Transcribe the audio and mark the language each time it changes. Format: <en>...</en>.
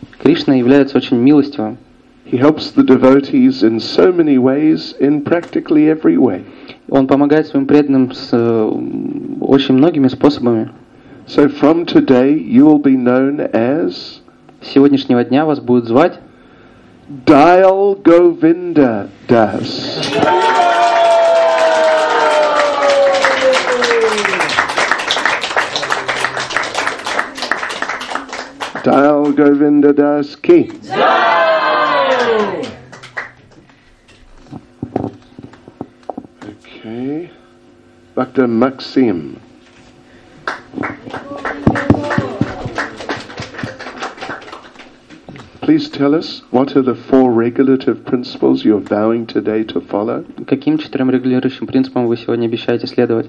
<ru>Кришна является очень милостивым.</ru> <en>He helps the devotees in so many ways, in practically every way.</en> <ru>Он помогает своим преданным с очень многими способами.</ru> <en>So from today you will be known as.</en> <ru>С сегодняшнего дня вас будут звать</ru> <en>Dial Govinda Das. Dial Govinda Das Ki. Bhakta Maxim. Please tell us what are the four regulative principles you're vowing today to follow.</en> <ru>Каким четырем регулирующим принципам вы сегодня обещаете следовать?</ru>